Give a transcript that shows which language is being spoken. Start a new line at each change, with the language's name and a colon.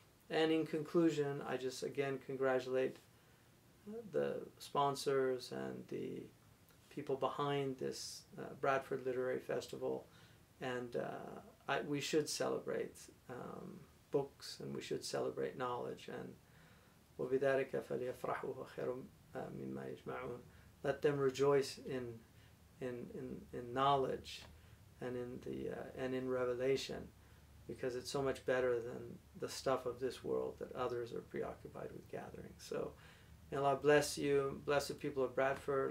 English: And in conclusion, I just again congratulate the sponsors and the people behind this Bradford Literary Festival. And we should celebrate books, and we should celebrate knowledge.
Arabic: And وَبِذَٰلِكَ فَلْيَفْرَحُوا وَخَيْرٌ مِمَّا يَجْمَعُونَ.
English: Let them rejoice in knowledge and in revelation, because it's so much better than the stuff of this world that others are preoccupied with gathering. So may Allah bless you, bless the people of Bradford.